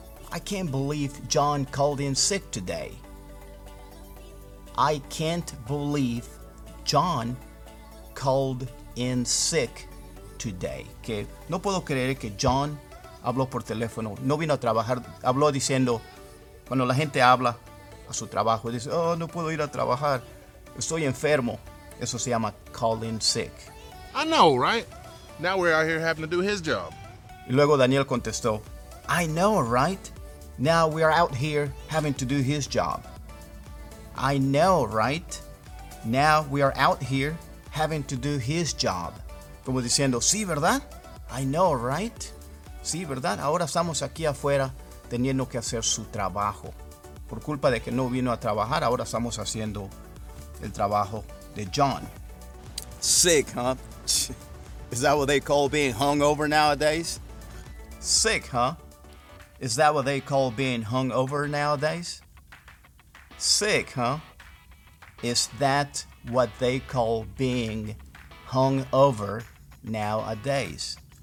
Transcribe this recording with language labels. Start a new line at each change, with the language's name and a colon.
English: I can't believe John called in sick today. I can't believe John called in sick today.
Spanish: Que no puedo creer que John habló por teléfono. No vino a trabajar. Habló diciendo, cuando la gente habla a su trabajo, dice, oh, no puedo ir a trabajar. Estoy enfermo. Eso se llama
English: calling sick. I know, right? Now we're out here having to do his job.
Spanish: Y luego Daniel contestó,
English: I know, right? Now we're out here having to do his job. I know, right? Now we are out here having to do his job.
Spanish: Como diciendo, sí, ¿verdad?
English: I know, right?
Spanish: Sí, ¿verdad? Ahora estamos aquí afuera teniendo que hacer su trabajo. Por culpa de que no vino a trabajar, ahora estamos haciendo el trabajo de John.
English: Sick, huh? Is that what they call being hungover nowadays? Sick, huh? Is that what they call being hungover nowadays? Sick, huh? Is that what they call being hungover nowadays?